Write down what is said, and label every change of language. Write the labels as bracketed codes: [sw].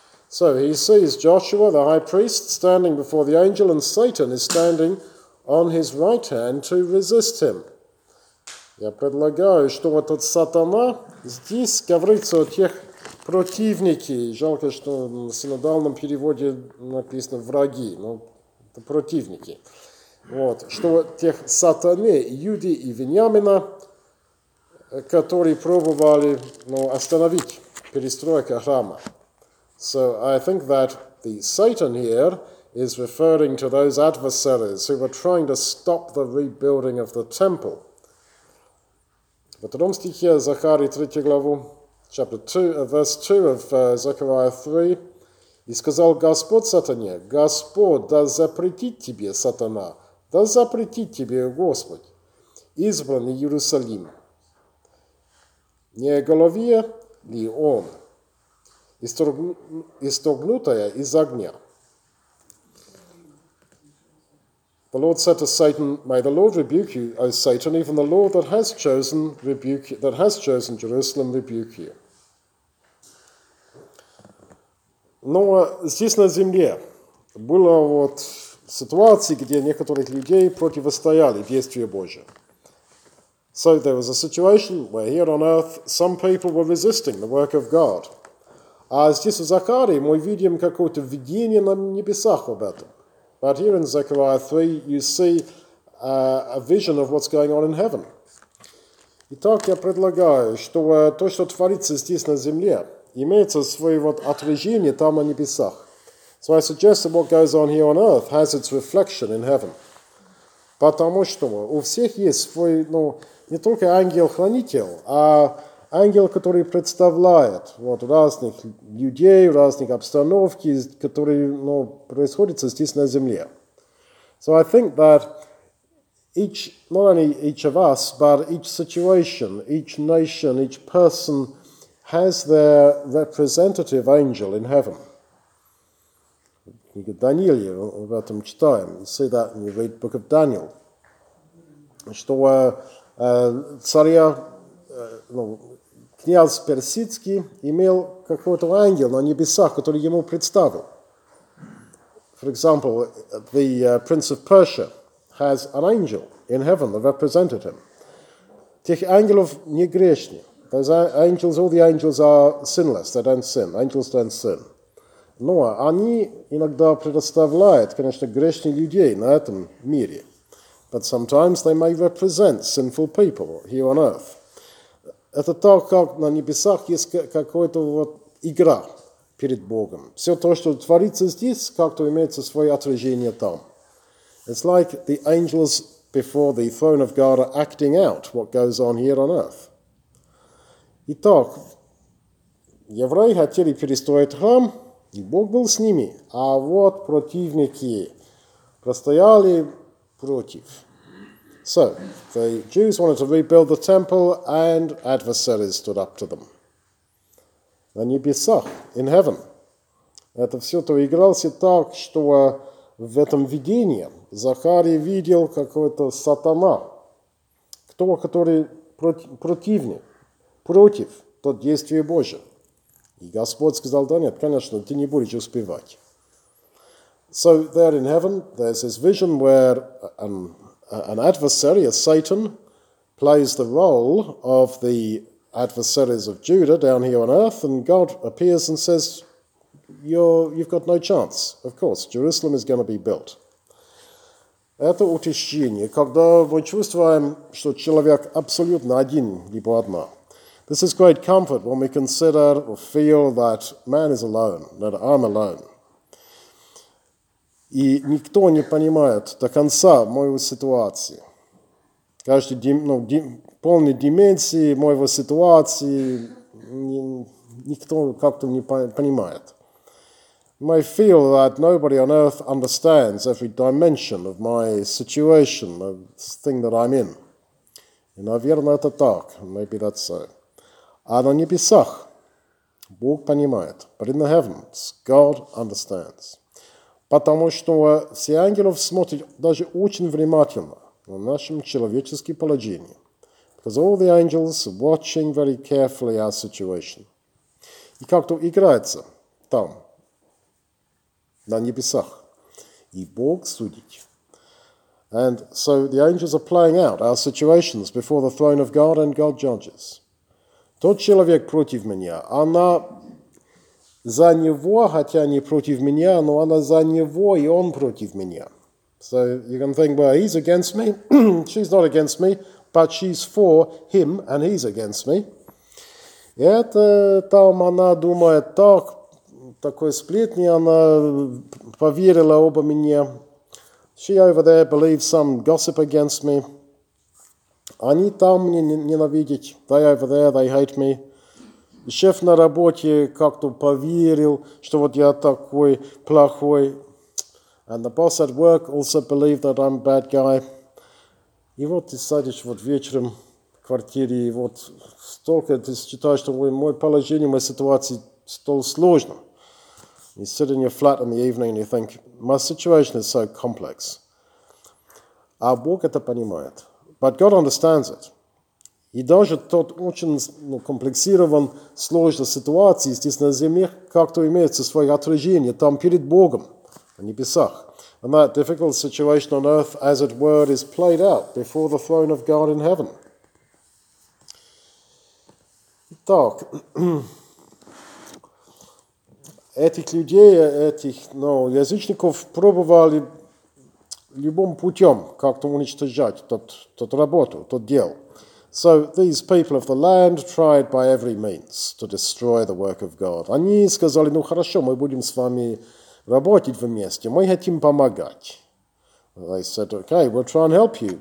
[en] So he sees Joshua, the high priest, standing before the angel, and Satan is standing on his right hand to resist him. [ru] Я предлагаю, что вот этот сатана здесь говорится о тех противниках. Жалко, что в синодальном переводе написано враги, но это противники. Вот, что вот тех сатаны, Юды и Вениамина, которые пробовали, ну, остановить перестройку храма. [en] So I think that the Satan here is referring to those adversaries who were trying to stop the rebuilding of the temple. [ru] В втором стихе Захарии, 3 главу, [en] chapter 2, verse 2 of Zechariah 3, [ru] и сказал Господь сатане, Господь да запретит тебе, сатана, да запретит тебе Господь, избранный Иерусалим. Не голове ли он, истогнутая из огня? [en] The Lord said to Satan, may the Lord rebuke you, O Satan, even the Lord that has chosen rebuke that has chosen Jerusalem rebuke you. [ru] Но здесь на земле было вот ситуации, где некоторых людей противостояли действию Божию. [en] So there was a situation where here on earth some people were resisting the work of God. [ru] А здесь в Захарии мы видим какое-то видение на небесах об этом. [en] But here in Zechariah 3 you see a vision of what's going on in heaven. [ru] Итак, я предлагаю, что то, что творится здесь на земле, имеется свое вот отражение там на небесах. [en] So I suggest that what goes on here on earth has its reflection in heaven. [ru] Потому что у всех есть свой, ну, не только ангел-хранитель, а ангел, который представляет вот, разных людей, разных обстановки, которые ну, происходят здесь на земле. [en] So I think that each, not only each of us, but each situation, each nation, each person has their representative angel in heaven. [ru] Книга Даниила, мы об этом читаем. [en] You see that when you read the book of Daniel. [ru] Что царя, ну, князь персидский имел какого-то ангела на небесах, который ему представил. [en] For example, the prince of Persia has an angel in heaven that represented him. [ru] Тех ангелов не грешни. [en] Those angels, all the angels are sinless, they don't sin. Angels don't sin. [ru] Но они иногда предоставляют, конечно, грешных людей на этом мире. [en] But sometimes they may represent sinful people here on earth. [ru] Это то, как на небесах есть какая-то вот игра перед Богом. Все то, что творится здесь, как-то имеется свое отражение там. [en] It's like the angels before the throne of God are acting out what goes on here on earth. [ru] Итак, евреи хотели перестроить храм, и Бог был с ними, а вот противники простояли против. [en] So, the Jews wanted to rebuild the temple, and adversaries stood up to them. [ru] На небесах, [en] in heaven. [ru] Это все-то игралось так, что в этом видении Захарий видел какого-то сатана, кто, который противник. Против то действие Божие. И Господь сказал, да нет, конечно, ты не будешь успевать. [en] So there in heaven, there's this vision where an adversary, a Satan, plays the role of the adversaries of Judah down here on earth, and God appears and says, you've got no chance. Of course, Jerusalem is going to be built. [ru] Это утешение, когда мы чувствуем, что человек абсолютно один, либо одна. [en] This is great comfort when we consider or feel that man is alone, that I'm alone. [ru] И никто не понимает до конца мою ситуацию. Каждый, ну, полный деменции моего ситуации, никто как-то не понимает. [en] I feel that nobody on earth understands every dimension of my situation, of the thing that I'm in. [ru] И, наверное, это так. [en] Maybe that's so. [ru] А на небесах Бог понимает. [en] But in the heavens, God understands. [ru] Потому что все ангелы смотрят даже очень внимательно на наше человеческое положение. [en] Because all the angels are watching very carefully our situation. [ru] И как-то играется там, на небесах. И Бог судит. [en] And so the angels are playing out our situations before the throne of God and God judges. [ru] Тот человек против меня, она за него, хотя не против меня, но она за него, и он против меня. [en] So you can think, well, he's against me, she's not against me, but she's for him, and he's against me. [ru] И это там она думает так, такой сплетни, она поверила обо мне. [en] She over there believes some gossip against me. [ru] Они там мне ненавидят. [en] They over there, they hate me. [ru] Шеф на работе как-то поверил, что вот я такой плохой. [en] And the boss at work also believed that I'm a bad guy. [ru] И вот ты садишь вот вечером в квартире, и вот столько ты считаешь, что мой положение, моя ситуация столь сложна. [en] You sit in your flat in the evening and you think, my situation is so complex. [ru] А Бог это понимает. [en] But God understands it. [ru] И даже тот очень ну, комплексирован, сложная ситуация здесь на земле как-то имеется свое отражение там перед Богом, на небесах. [en] And that difficult situation on earth, as it were, is played out before the throne of God in heaven. [ru] Итак, этих людей, этих ну, язычников пробовали любым путем как-то уничтожать тот работу, тот дел. [en] So these people of the land tried by every means to destroy the work of God. [ru] Они сказали, ну хорошо, мы будем с вами работать вместе, мы хотим помогать. [en] They said, okay, we'll try and help you.